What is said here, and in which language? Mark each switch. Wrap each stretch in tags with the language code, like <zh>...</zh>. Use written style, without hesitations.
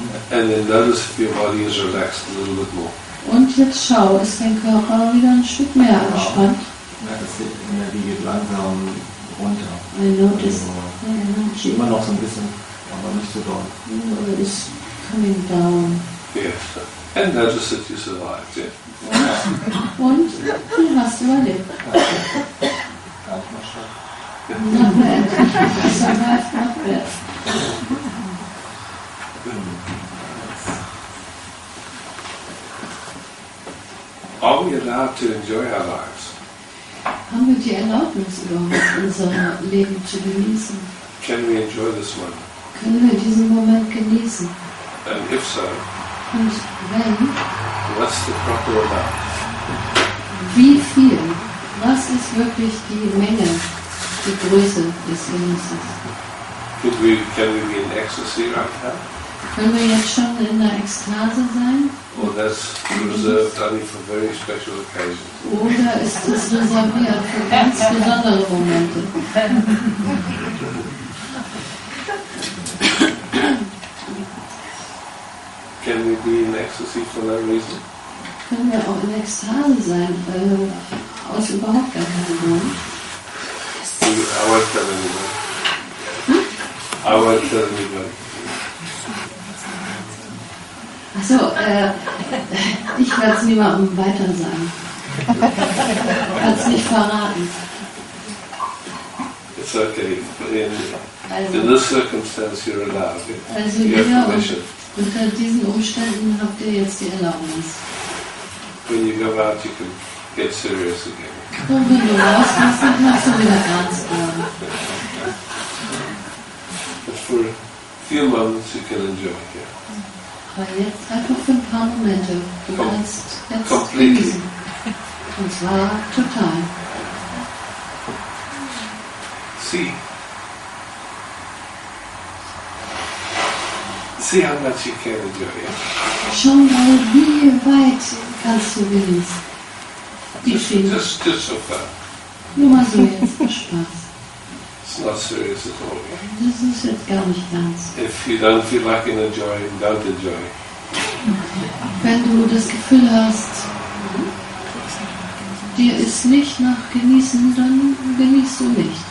<en>And then notice if your body is relaxed a little bit more.</en> <de>Und jetzt schau, ist dein Körper wieder ein Stück mehr entspannt? Ja, das geht in der Wiege langsam runter.</de> <en>I notice.</en> <de>Also, yeah, immer noch so ein bisschen, aber nicht so doll.</de> <en>It's coming down. Yes. And notice that you survived, yeah.</en> <de>Und du hast überlebt.</de> <en>Not bad. Survived, not bad. Are we allowed to enjoy our lives?</en> <de>Haben wir die Erlaubnis überhaupt, unser Leben zu genießen?</de> <en>Can we enjoy this one?</en> <de>Können wir diesen Moment genießen?</de> <en>And if so,</en> <de>und wenn,</de> <en>what's the proper amount?</en> <de>Wie viel? Was ist wirklich die Menge, die Größe des Genusses?</de> <en>Can we be in ecstasy right now?</en> <de>Können wir jetzt schon in der Ekstase sein?</de> <en>Or that's reserved only for very special occasions.</en> <de>Oder ist es reserviert für ganz besondere Momente?</de> <en>Can we be in ecstasy for no reason?</en> <de>Können wir auch in Ekstase sein, weil aus überhaupt gar keinem Grund?</de> <en>I won't tell anybody.</en> <de>Achso, ich werde es niemandem weiter sagen. Ich werde es nicht verraten.</de> <en>It's okay. In this circumstance you're allowed.</en> <de>Also ihr unter diesen Umständen habt ihr jetzt die Erlaubnis.</de> <en>When you go out you can get serious again.</en> <de>Und wenn du rauskommst, dann machst du wieder ernst.</de> <en>But for a few moments you can enjoy it, yeah.</en> <de>Weil jetzt einfach für ein paar Momente, du kannst jetzt genießen. Und zwar total.</de> <en>See how much you can enjoy it.</en> <de>Schau mal, wie weit kannst du genießen.</de> <en>Just so far.</en> <de>Nur mal so jetzt für Spaß.</de> <en>It's not serious at all.</en> <de>Das ist jetzt gar nicht ganz.</de> <en>If you don't feel like in a joy, don't enjoy.</en> <de>Wenn du das Gefühl hast, dir ist nicht nach Genießen, dann genießt du nicht.</de>